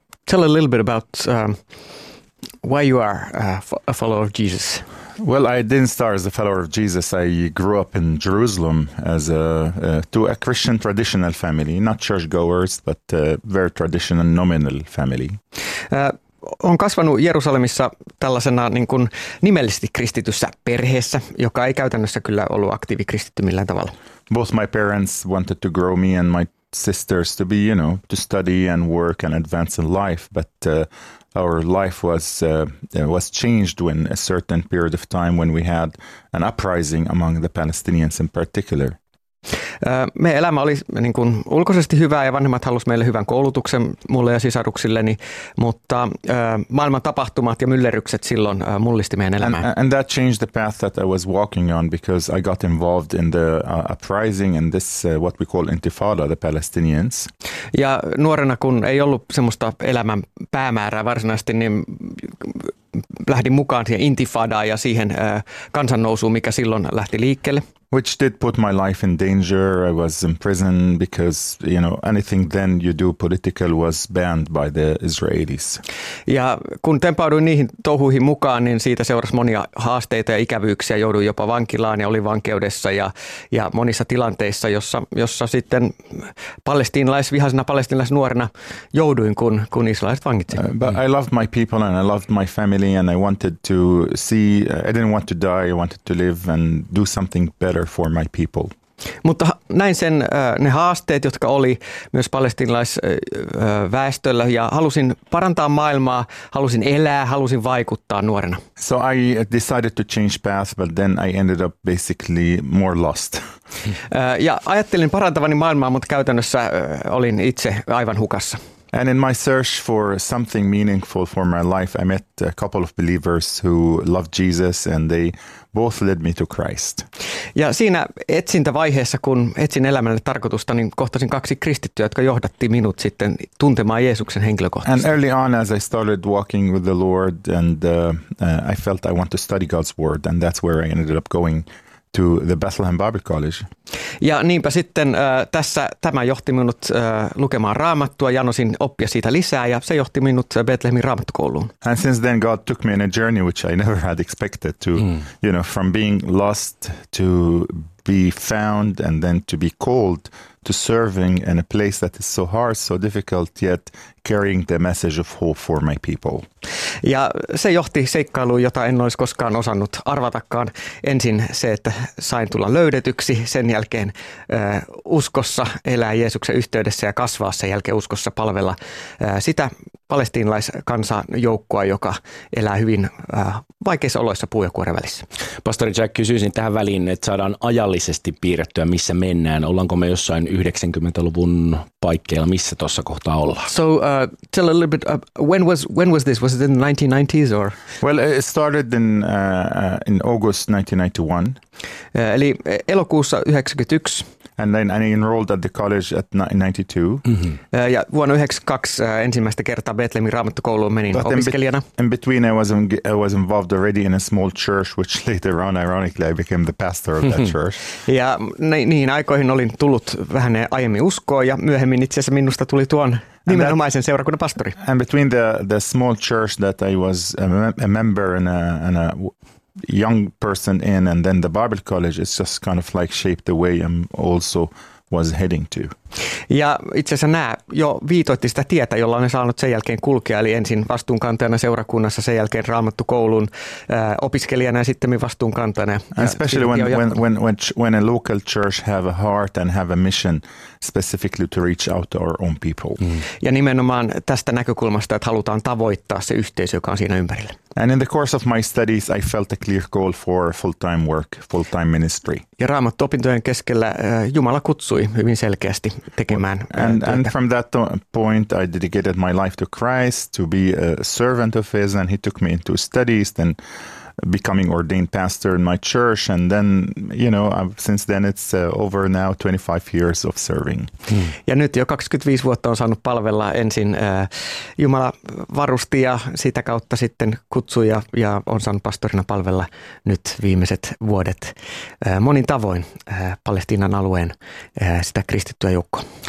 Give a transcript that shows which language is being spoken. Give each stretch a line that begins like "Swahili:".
English: Tell a little bit about why you are a follower of Jesus. Well, I didn't start as a follower of Jesus. I grew up in Jerusalem as to a Christian traditional family, not churchgoers, but a very traditional nominal family.
Finnish: on kasvanut Jerusalemissa tällaisena niin kuin nimellisesti kristityssä perheessä, joka ei käytännössä kyllä ollut aktiivi kristitty millään tavalla.
English: Both my parents wanted to grow me and my sisters to be, you know, to study and work and advance in life, but our life was changed when a certain period of time when we had an uprising among the Palestinians in particular.
Finnish: Meidän elämä oli niin kuin ulkoisesti hyvää ja vanhemmat halusivat meille hyvän koulutuksen mulle ja sisaruksilleni, mutta maailman tapahtumat ja myllerrykset silloin mullisti meidän elämää.
English: And that changed the path that I was walking on because I got involved in the uprising and this what we call intifada, the Palestinians.
Finnish: Ja nuorena, kun ei ollut semmoista elämän päämäärää varsinaisesti, niin lähdin mukaan siihen intifadaan ja siihen kansannousuun, mikä silloin lähti liikkeelle.
English: Which did put my life in danger. I was in prison because, you know, anything then you do political was banned by the Israelis.
Finnish: Ja kun tempauduin niihin touhuihin mukaan, niin siitä seurasi monia haasteita ja ikävyyksiä. Jouduin jopa vankilaan ja olin vankeudessa ja monissa tilanteissa, jossa sitten vihaisena palestiinalaisnuorena jouduin, kun israelilaiset vangitsivat.
English: But I loved my people and I loved my family and I wanted to see, I didn't want to die, I wanted to live and do something better. For my people.
Finnish: Mutta näin sen ne haasteet, jotka oli myös palestiinalaisväestöllä ja halusin parantaa maailmaa, halusin elää, halusin vaikuttaa nuorena.
English: So I decided to change path, but then I ended up basically more lost.
Finnish: Ja ajattelin parantavani maailmaa, mutta käytännössä olin itse aivan hukassa.
English: And in my search for something meaningful for my life, I met a couple of believers who loved Jesus and they both led me to Christ.
Finnish: Ja siinä etsintävaiheessa, kun etsin elämälle tarkoitusta, niin kohtasin kaksi kristittyä, jotka johdatti minut sitten tuntemaan Jeesuksen henkilökohtaisesti.
English: And early on as I started walking with the Lord and I felt I want to study God's word and that's where I ended up going. To the Bethlehem Bible College.
Finnish: Ja niinpä sitten tämä johti minut lukemaan Raamattua, janosin oppia siitä lisää ja se johti minut Bethlehemin Raamattukouluun.
English: And since then God took me on a journey which I never had expected to, you know, from being lost to be found and then to be called to serving in a place that is so hard, so difficult, yet carrying the message of hope for my people.
Finnish: Ja se johti seikkailuun, jota en olisi koskaan osannut arvatakaan. Ensin se, että sain tulla löydetyksi, sen jälkeen uskossa elää Jeesuksen yhteydessä ja kasvaa sen jälkeen uskossa palvella sitä palestiinalaiskansan joukkoa, joka elää hyvin vaikeissa oloissa puu- ja kuoren välissä. Pastori Jack, kysyisin tähän väliin, että saadaan ajallisesti piirrettyä, missä mennään. Ollaanko me jossain 90-luvun paikkeilla, missä tuossa kohtaa ollaan?
English: So tell a little bit, when was this? Was it in the 1990s or? Well, it started in August 1991.
Finnish: Eli elokuussa 1991.
English: And then I enrolled at the college at 92. Mm-hmm.
Finnish: Ja vuonna 92 ensimmäistä kertaa Bethlehemin Raamattukouluun menin
English: but
Finnish: opiskelijana.
English: In between I was involved already in a small church, which later on, ironically, I became the pastor of that church.
Finnish: Ja niihin aikoihin olin tullut vähän aiemmin uskoon ja myöhemmin itse asiassa minusta tuli tuon nimenomaisen seurakunnan pastori.
English: And between the small church that I was a member in a young person in and then the Bible College is just kind of like shaped the way I'm also was heading to.
Finnish: Ja itse asiassa nämä jo viitoitti sitä tietä, jolla olen saanut sen jälkeen kulkea, eli ensin vastuunkantajana seurakunnassa, sen jälkeen Raamattukoulun opiskelijana ja sitten vastuunkantajana.
English: Especially when a local church have a heart and have a mission specifically to reach out to our own people. Mm.
Finnish: Ja nimenomaan tästä näkökulmasta, että halutaan tavoittaa se yhteisö, joka on siinä ympärillä.
English: And in the course of my studies, I felt a clear call for full-time work, full-time ministry.
Finnish: Ja Raamattuopintojen keskellä Jumala kutsui hyvin selkeästi tekemään.
English: And from that point, I dedicated my life to Christ, to be a servant of His, and He took me into studies, then becoming ordained pastor in my church, and then, you know, since then it's over now 25 years of serving.
Finnish: Ja nyt jo 25 vuotta on saanut palvella ensin Jumala varusti ja sitä kautta sitten kutsui ja on saanut pastorina palvella nyt viimeiset vuodet monin tavoin Palestiinan alueen sitä kristittyä joukkoa.